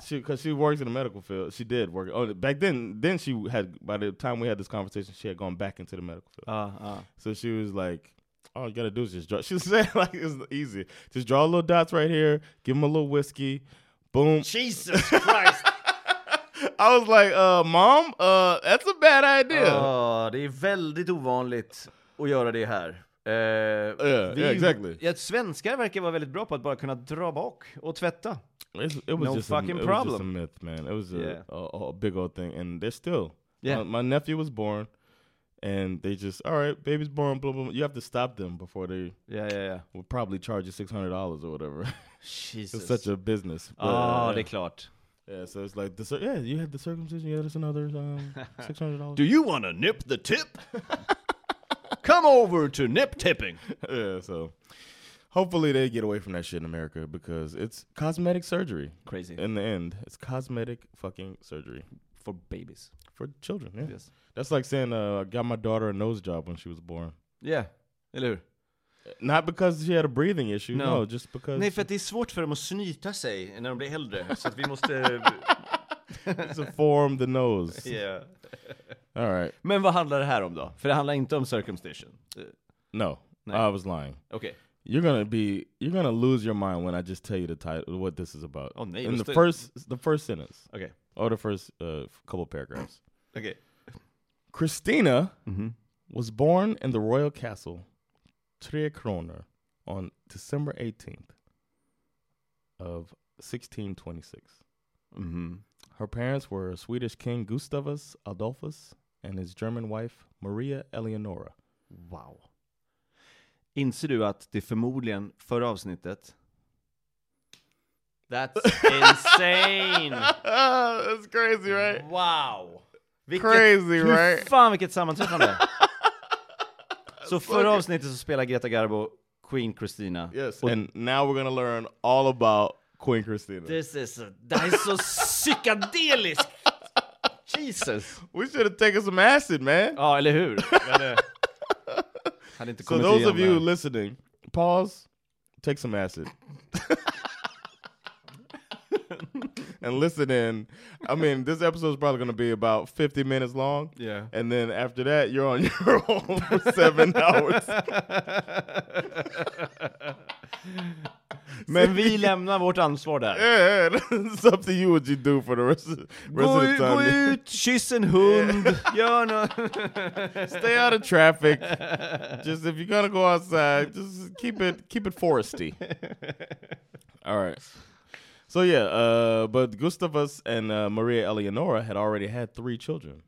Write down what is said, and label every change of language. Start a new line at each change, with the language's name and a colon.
English: Because she works in the medical field. She did work. Oh, back then she had, by the time we had this conversation, she had gone back into the medical field. So she was like, all you got to do is just draw. She was saying, like, it's easy. Just draw little dots right here. Give them a little whiskey. Boom. Jesus Christ. I was like, mom, that's a bad idea.
Swedish: Det är väldigt ovanligt att göra det här.
English: Exactly.
Swedish: Jag svenskar verkar vara väldigt bra på att bara kunna dra bak och tvätta.
English: It was just a myth, man. It was a big old thing, and they're still. Yeah. My nephew was born, and they just, all right, baby's born, blah, blah, blah. You have to stop them before they will probably charge you $600 or whatever. Jesus. It's such a business. But,
Swedish: det är klart.
English: Yeah, so it's like, you had the circumcision, you had us another $600. Do you want to nip the tip? Come over to nip tipping. Yeah, so hopefully they get away from that shit in America, because it's cosmetic surgery. Crazy. In the end, it's cosmetic fucking surgery. For babies. For children, yeah. Yes. That's like saying, I got my daughter a nose job when she was born.
Swedish: Yeah. Eller hur?
English: Not because she had a breathing issue. No, just because.
Swedish: Nej, för att det är svårt för dem att snyta sig när de blir äldre. Så att vi måste.
English: To form the nose. Yeah. All right.
Swedish: Men vad handlar det här om då? För det handlar inte om circumcision.
English: No.
Swedish: Nej.
English: I was lying. Okay. You're gonna lose your mind when I just tell you the title, what this is about.
Swedish: Oh, nej.
English: In the first sentence. Okay. Or the first couple paragraphs. Okay. Kristina was born in the royal castle, Tre Kronor, on December 18th of 1626. Mm-hmm. Her parents were Swedish King Gustavus Adolphus and his German wife Maria Eleonora. Wow.
Swedish: Inser du att det förmodligen förra avsnittet?
English: That's insane. That's crazy, right? Wow. Crazy, right?
Swedish: Fan, vilket sammanträffande. Så förra avsnittet så spelar Greta Garbo Queen Kristina.
English: Yes, and now we're going to learn all about Queen Kristina.
Swedish: Det är så psykedelisk. Jesus.
English: We should have taken some acid, man.
Swedish: Ja, eller hur?
English: So those of you listening, pause, take some acid. And listen in. I mean, this episode is probably going to be about 50 minutes long. Yeah. And then after that, you're on your own for 7 hours.
Swedish: Men vi lämnar vårt ansvar där.
English: Yeah, it's up to you what you do for the rest of the time.
Swedish: Gå ut, kyss en hund. Yeah. Gör något.
English: Stay out of traffic. Just if you're gonna go outside, just keep it foresty. All right. So yeah, but Gustavus and Maria Eleonora had already had 3 children.